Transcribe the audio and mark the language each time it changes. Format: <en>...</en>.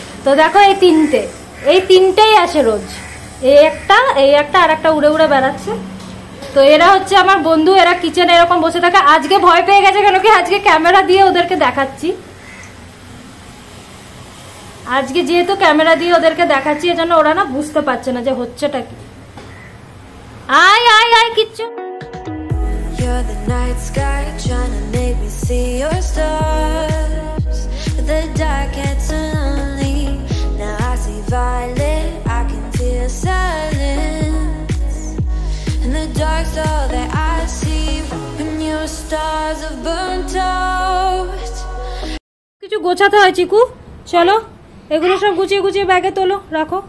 <bn>তো দেখো এই তিনটে, এই তিনটেই আসে রোজ, এই একটা আর একটা উড়ে উড়ে বেড়াচ্ছে, তো এরা হচ্ছে আমার বন্ধু, এরা কিচেনে এরকম বসে থাকে, আজকে ভয় পেয়ে গেছে, কেন কি আজকে ক্যামেরা দিয়ে ওদেরকে দেখাচ্ছি, আজকে যেহেতু ক্যামেরা দিয়ে ওদেরকে দেখাচ্ছি এজন্য ওরা না বুঝতে পারছে না যে হচ্ছেটা কি। আয় আয় আয় kitchen.</bn> <en>You're the night sky trying to make me see your stars. The dark gets lonely. Now I see violet, I can feel silence. And the dark's all that I see. When your stars have burnt out.</en> <bn>কিছু গোছাতে হয় চিকু, চলো এগুলো সব গুছিয়ে গুছিয়ে ব্যাগে তোলো, রাখো।</bn>